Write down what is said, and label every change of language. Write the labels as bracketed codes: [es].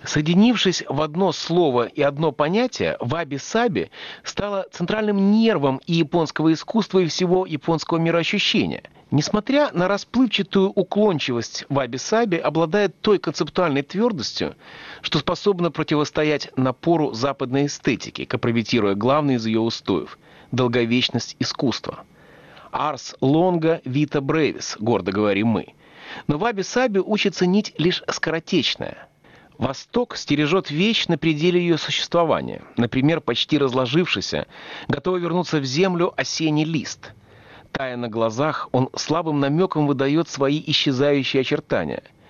[ru] Соединившись в одно слово и одно понятие, ваби-саби стало центральным нервом и японского искусства, и всего японского мироощущения. Несмотря на расплывчатую уклончивость, ваби-саби обладает той концептуальной твердостью, что способна противостоять напору западной эстетики, компрометируя главный из ее устоев – долговечность искусства. [la] «Ars longa vita brevis», [ru] гордо говорим мы. Но ваби-саби учит ценить лишь скоротечное. Восток стережет вещь на пределе ее существования, например, почти разложившийся, готовый вернуться в землю осенний лист. Тая на глазах, он слабым намеком выдает свои исчезающие очертания.